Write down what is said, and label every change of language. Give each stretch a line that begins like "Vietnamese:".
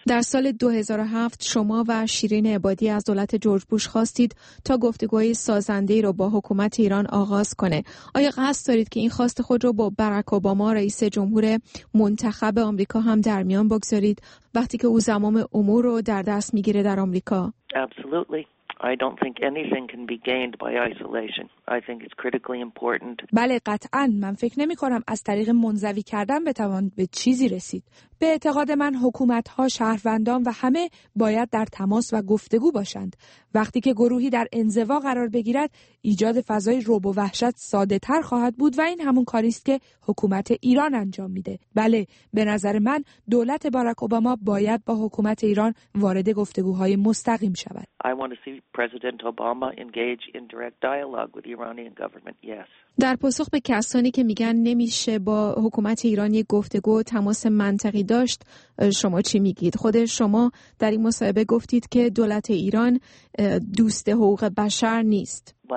Persian: در سال 2007 شما و شیرین عبادی از دولت جورج بوش خواستید تا گفتگوهای سازنده‌ای را با حکومت ایران آغاز کنه. آیا قصد دارید که این خواست خود را با باراک اوباما رئیس جمهور منتخب آمریکا هم در میان بگذارید وقتی که او زمام امور رو در دست میگیره در آمریکا؟
English: Absolutely. I don't think anything can be gained by isolation. I think it's critically important.
Persian: بله قطعاً من فکر نمی‌کنم از طریق منزوی کردن بتوان به چیزی رسید. به اعتقاد من حکومت‌ها، شهروندان و همه باید در تماس و گفتگو باشند. وقتی که گروهی در انزوا قرار بگیرد، ایجاد فضای رعب و وحشت ساده‌تر خواهد بود و این همون کاری است که حکومت ایران انجام می‌ده. بله، به نظر من دولت باراک اوباما باید با حکومت ایران وارد گفتگوهای مستقیم شود.
English: I want to see President Obama engage in direct dialogue with the Iranian government. Yes.
Persian: در پاسخ به کسانی که میگن نمیشه با حکومت ایران یک گفتگو تماس منطقی داشت، شما چی میگید؟ خود شما در این مصاحبه گفتید که دولت ایران دوست حقوق بشر نیست.